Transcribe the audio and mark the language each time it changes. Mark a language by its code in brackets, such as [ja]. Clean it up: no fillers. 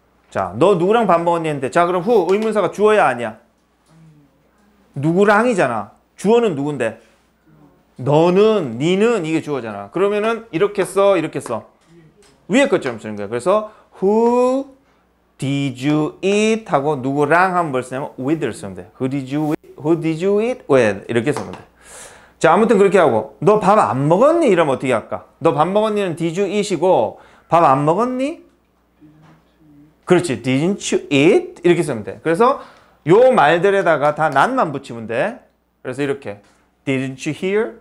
[ko] 자, 너 누구랑 밥 먹었니 했는데 자 그럼 who 의문사가 주어야 아니야? 누구랑이잖아. 주어는 누군데 너는, 니는 이게 주어잖아. 그러면은 이렇게 써, 이렇게 써. 위에 것처럼 쓰는 거야. 그래서 [en] who did you eat [ko] 하고 누구랑 한 번 쓰냐면 with를 쓰면 돼. [en] Who did you eat with [ko] 이렇게 쓰면 돼. 자, 아무튼 그렇게 하고 너 밥 안 먹었니? 이러면 어떻게 할까? 너 밥 먹었니는 [en] did you eat [ko] 이고 밥 안 먹었니? 그렇지. [en] Didn't you eat? [ko] 이렇게 쓰면 돼. 그래서 요 말들에다가 다 난만 붙이면 돼. 그래서 이렇게 [en] Didn't you hear?